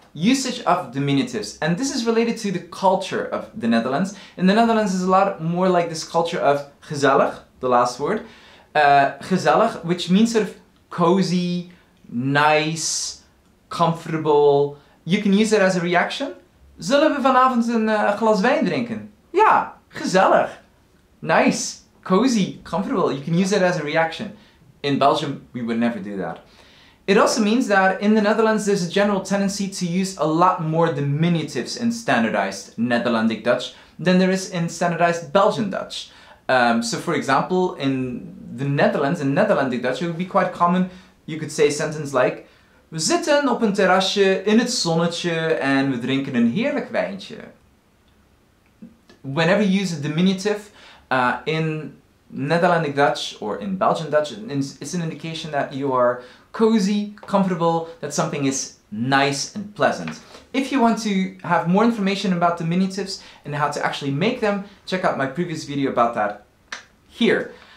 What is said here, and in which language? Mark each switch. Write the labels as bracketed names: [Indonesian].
[English] Usage of diminutives. And this is related to the culture of the Netherlands. In the Netherlands is a lot more like this culture of gezellig, the last word. Gezellig, which means sort of cozy, nice, comfortable. You can use it as a reaction. [Dutch] Zullen we vanavond een glas wijn drinken? Ja, gezellig. [English] Nice, cozy, comfortable. You can use it as a reaction. In Belgium, we would never do that. It also means that in the Netherlands, there's a general tendency to use a lot more diminutives in standardized Netherlandic Dutch than there is in standardized Belgian Dutch. So for example, in the Netherlands, in Netherlandic Dutch, it would be quite common, you could say a sentence like, [Dutch] we zitten op een terrasje in het zonnetje en we drinken een heerlijk wijntje. [English] Whenever you use a diminutive in Netherlandic Dutch or in Belgian Dutch, it's an indication that you are cozy, comfortable, that something is nice and pleasant. If you want to have more information about diminutives and how to actually make them, check out my previous video about that here.